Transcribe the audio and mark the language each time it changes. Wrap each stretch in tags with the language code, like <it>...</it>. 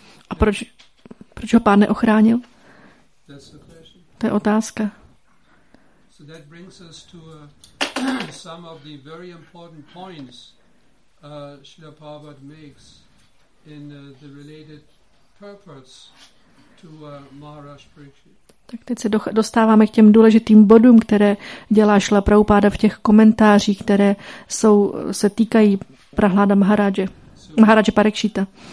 <cs>A proč ho pán neochránil? To je otázka.</cs> <en>So that brings us to some of the very important points Srila Prabhupada makes in the related purpose to Maharaj Parikshit.</en> <cs>Tak teď se dostáváme k těm důležitým bodům, které dělá Srila Prabhupada v těch komentářích, které jsou, se týkají Prahláda Maharaje, Maharaje Parikshita.</cs>